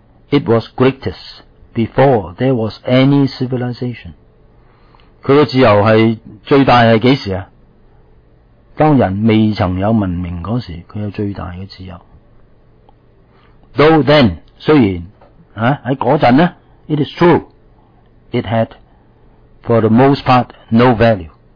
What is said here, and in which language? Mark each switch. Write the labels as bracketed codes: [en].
[en] It was greatest before there was any civilization。 [yue] 佢嘅自由系最大系几时啊？当人未曾有文明嗰时，佢有最大嘅自由。 [en] Though then， [yue] 虽然啊喺嗰阵咧 [en] ，it is true，it had for the most part no value。